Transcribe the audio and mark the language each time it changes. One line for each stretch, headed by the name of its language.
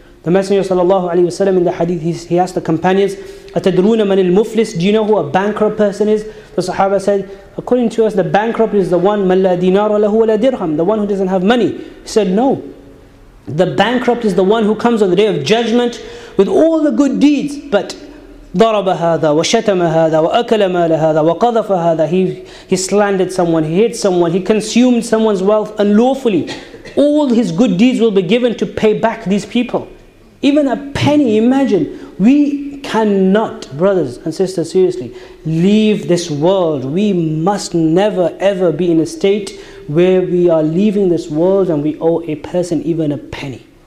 English: The Messenger sallallahu alaihi wasallam in the hadith, he asked the companions,
Arabic: "Atadruna man al-muflis?"
English: Do you know who a bankrupt person is? The Sahaba said, according to us, the bankrupt is the one,
Arabic: "Man la dinara lahu wa la dirham,"
English: the one who doesn't have money. He said, no. The bankrupt is the one who comes on the Day of Judgment with all the good deeds, but
Arabic: ضرب هذا وشتم هذا وأكل مال هذا وقذف هذا.
English: He slandered someone, he hit someone, he consumed someone's wealth unlawfully. All his good deeds will be given to pay back these people. Even a penny, imagine. We cannot, brothers and sisters, seriously, leave this world. We must never ever be in a state where we are leaving this world and we owe a person even a penny.